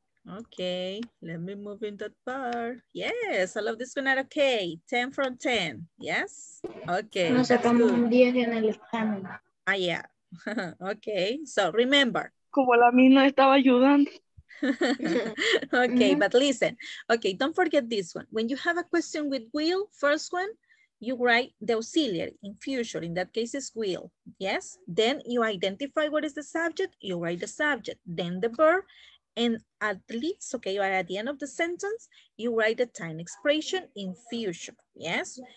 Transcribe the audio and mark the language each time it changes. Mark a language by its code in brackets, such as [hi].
[en] Okay, let me move in that bar. Yes, all of this going out okay. 10 from 10. Yes? Okay. [es] Nos sacamos un 10 en el examen. [en] Ah, yeah. Okay, so remember. [es] Como la mina estaba ayudando. [en] Okay, but listen. Okay, don't forget this one. When you have a question with will, first one, you write the auxiliary in future. In that case, it's will. Yes? Then you identify what is the subject. You write the subject. Then the verb. And at least, okay, you are at the end of the sentence, you write the time expression in future, yes?